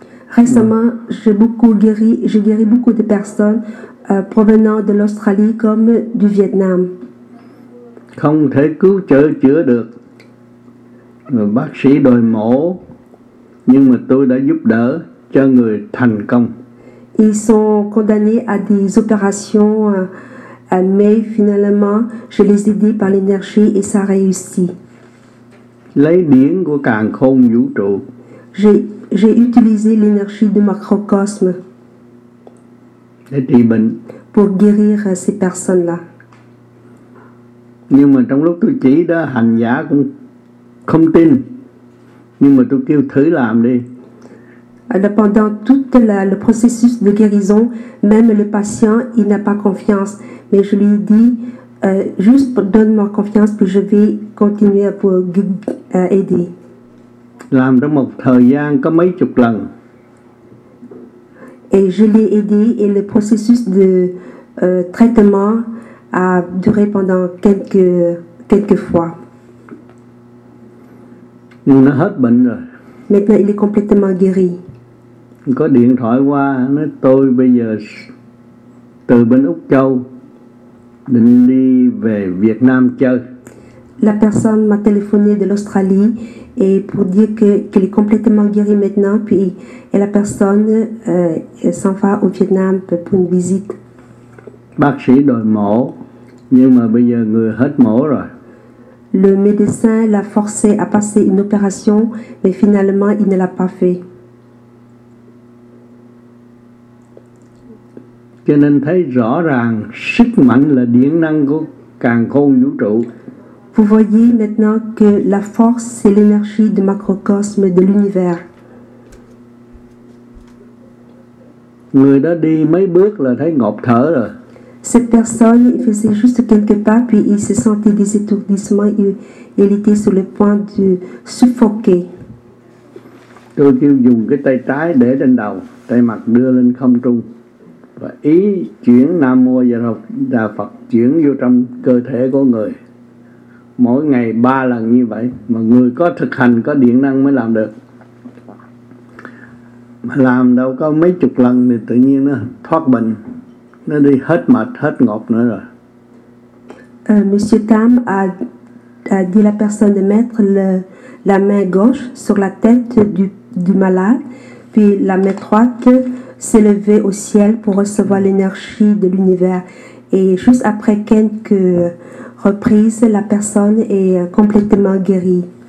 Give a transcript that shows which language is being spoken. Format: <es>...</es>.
<fr>Récemment, j'ai guéri beaucoup de personnes provenant de l'Australie comme du Vietnam.</fr> <vi>Không thể cứu chữa được. Người bác sĩ đòi mổ, nhưng mà tôi đã giúp đỡ cho người thành công.</vi> <fr>Ils sont condamnés à des opérations mais finalement, je les ai aidés par l'énergie et ça a réussi.</fr> <vi>Lấy điện của càn khôn vũ trụ.</vi> <fr>J'ai utilisé l'énergie du macrocosme</fr> <vi>để trị bệnh.</vi> <fr>Pour guérir ces personnes-là.</fr> <vi>Nhưng mà trong lúc tôi chỉ đó, hành giả cũng không tin. Nhưng mà tôi kêu thử làm đi.</vi> <fr>Pendant tout le processus de guérison, même le patient, il n'a pas confiance. Mais je lui ai dit, juste donne-moi confiance, puis je vais continuer à vous aider.</fr> <vi>Làm trong một thời gian có mấy chục lần.</vi> <fr>Et je l'ai aidé et le processus de traitement a duré pendant quelques fois.</fr> <vi>Nó hết bệnh rồi.</vi> <fr>Maintenant, il est complètement guéri.</fr> <vi>Có điện thoại qua, nói tôi bây giờ từ bên Úc Châu. Định đi về Việt Nam chơi.</vi> <fr>La personne m'a téléphoné de l'Australie et pour dire qu'elle est complètement guérie maintenant puis et la personne s'en va au Vietnam pour une visite.</fr> <vi>Bác sĩ đòi mổ nhưng mà bây giờ người hết mổ rồi.</vi> <fr>Le médecin l'a forcé à passer une opération mais finalement il ne l'a pas fait.</fr> <vi>Cho nên thấy rõ ràng sức mạnh là điện năng của càn khôn vũ trụ.</vi> <fr>Vous voyez maintenant que la force c'est l'énergie du macrocosme de l'univers.</fr> <vi>Người đó đi mấy bước là thấy ngộp thở rồi. Cette personne, il faisait juste quelques pas, puis il se sentait des étourdissements, il était sur le point de suffoquer. Tôi kêu dùng cái tay trái để lên đầu, tay mặt đưa lên không trung. Và ý chuyển Nam Mô và Đà Phật chuyển vô trong cơ thể của người. Mỗi ngày ba lần như vậy, mà người có thực hành, có điện năng mới làm được. Mà làm đâu có mấy chục lần thì tự nhiên nó thoát bệnh. Nó đi hết mệt, hết ngọt nữa rồi.</vi> <fr>Monsieur Tam a dit la personne de mettre la main gauche sur la tête du malade, puis la main droite s'élever au ciel pour recevoir l'énergie de l'univers. Et juste après quelques reprises, la personne est complètement guérie.</fr>